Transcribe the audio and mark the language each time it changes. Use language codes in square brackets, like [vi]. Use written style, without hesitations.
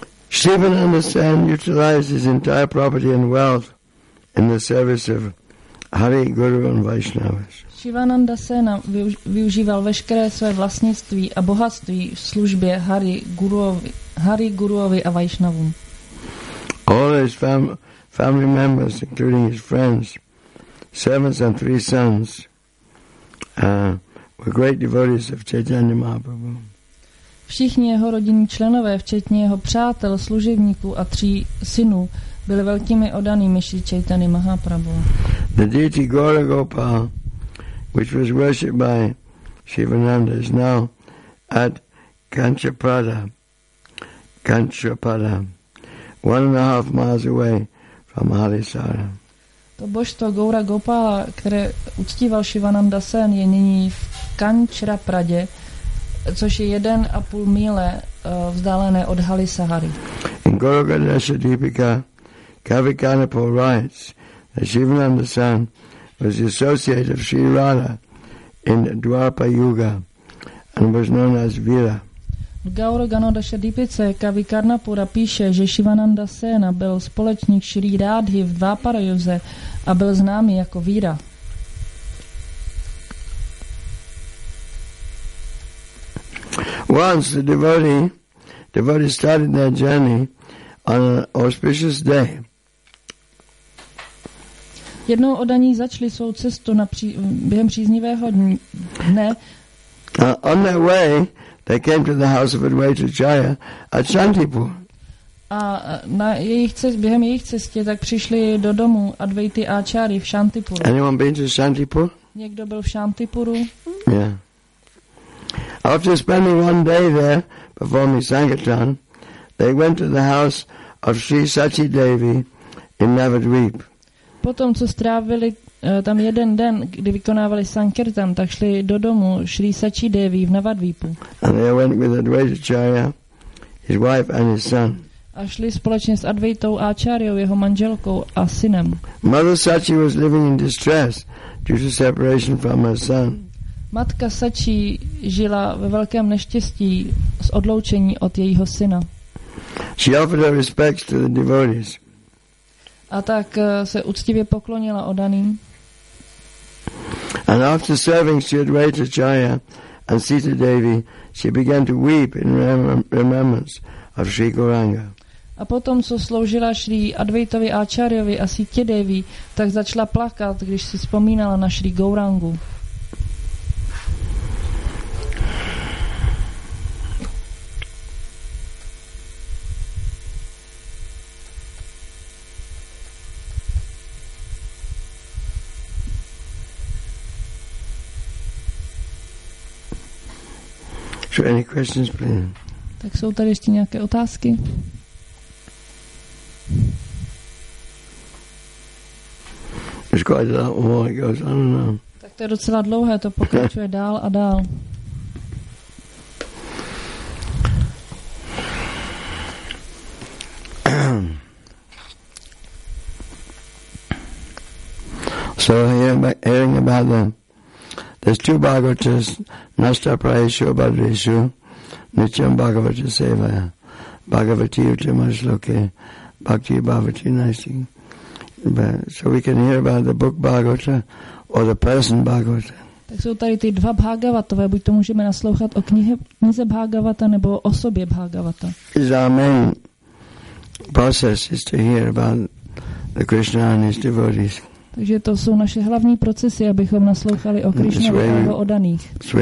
[en] Sivananda Sen utilized his entire property and wealth in the service of Hari, Guru and Vaishnavas. [cs] Sivananda Sen využíval veškeré své vlastnictví a bohatství v službě Hari Guruovi a Vaishnavům. [en] All his family members, including his friends, servants and three sons, were great devotees of Chaitanya Mahaprabhu. [cs] Všichni jeho rodinní členové, včetně jeho přátel, služebníků a tří synů, byli velkými oddanými Šri Čaitany Mahaprabhu. [en] The deity Gaura Gopal, which was worshipped by Sivananda, is now at Kanchapada. Kanchapada, 1.5 miles away from Halisara. [cs] To božstvo Gaura Gopala, které uctíval Sivananda Sen, je nyní v Kanchapradě, což je 1.5 míle vzdálené od Halisahary. [en] In Gauranga Dasa Deepika, Kavikanapo writes that Sivananda Sen was the associate of Sri Radha in Dwapara Yuga and was known as Vira. [cs] V Gauranga Deepice Kavikarnapura píše, že Sivananda Sen byl společník Sri Rádhy v Dvapara Yuze a byl známý jako Vira. [en] Once the devotee started their journey on an auspicious day. [cs] Jednou oddaní začali svou cestu během příznivého dne. [en] On their way, they came to the house of Advaita Jaya at Shantipur. [cs] A během jejich cesty tak přišli do domu Advaity Achary v Shantipur. [en] Anyone been to Shantipur? [cs] Někdo byl v Shantipuru? [en] Yeah. After spending one day there performing Sankirtan, they went to the house of Sri Sachi Devi in Navadvip. [cs] Potom, co strávili tam jeden den, kdy vykonávali Sankirtan, tak šli do domu Sri Sachi Devi v Navadvipu. [en] And they went with Advaita Acharya, his wife and his son. [cs] A šli společně s Advaitou Acharyou, jeho manželkou a synem. [en] Mother Sachi was living in distress due to separation from her son. [cs] Matka Sachi žila ve velkém neštěstí z odloučení od jejího syna. [en] She offered her respects to the devotees. [cs] A tak se uctivě poklonila oddaným. [en] And after serving Sri Advaita Jaya and Sita Devi, she began to weep in remembrance of Sri Gauranga. [cs] A potom, co sloužila Sri Advaitovi Acharyovi a Sita Devi, tak začala plakat, když si vzpomínala na Sri Gaurangu. [en] Any questions, please? [cs] Tak jsou tady ještě nějaké otázky? [en] It's quite a lot more. It goes on and on. [cs] Tak to je docela dlouhé, to pokračuje dál a dál. [en] So hearing about them. There's two Bhagavatas, [sa] Nastra Prayeshu, Badrishu, Nityam Bhagavata Sevaya, Bhagavati Uttamasloke, Bhakti Bhavati Naising. [en] So we can hear about the book Bhagavata or the person Bhagavata. [cs] Tak jsou tady ty dva Bhagavatové, buď to můžeme naslouchat o knize Bhagavata nebo o sobě Bhagavata. [en] His main process is to hear about the Krishna and his devotees. [cs] Takže to jsou naše hlavní procesy, abychom naslouchali o Krišnovi a jeho oddaných.